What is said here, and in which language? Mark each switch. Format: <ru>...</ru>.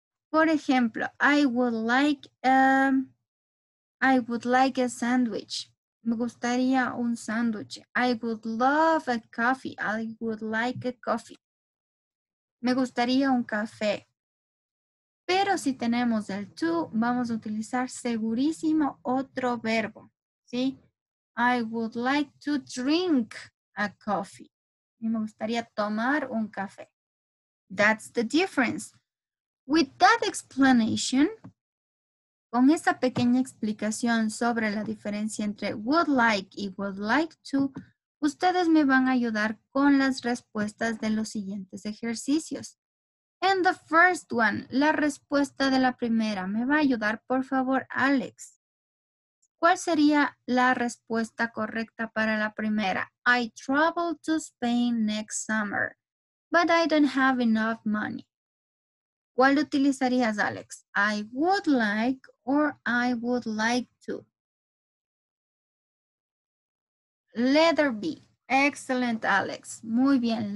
<es>Por ejemplo,</es> <en>I would like a sandwich.</en> <es>Me gustaría un sándwich.</es> <en>I would love a coffee. I would like a coffee.</en> <es>Me gustaría un café. Pero si tenemos el to, vamos a utilizar segurísimo otro verbo. ¿Sí?</es> <en>I would like to drink a coffee.</en> <es>Y me gustaría tomar un café.</es> <en>That's the difference. With that explanation,</en> <es>con esa pequeña explicación sobre la diferencia entre would like y would like to, ustedes me van a ayudar con las respuestas de los siguientes ejercicios.</es> <en>In the first one,</en> <es>la respuesta de la primera. Me va a ayudar, por favor, Alex. ¿Cuál sería la respuesta correcta para la primera?</es> <en>I travel to Spain next summer, but I don't have enough money.</en> <es>¿Cuál utilizarías, Alex?</es> <en>I would like or I would like to. Letter B. Excellent, Alex.</en> <es>Muy bien.</es>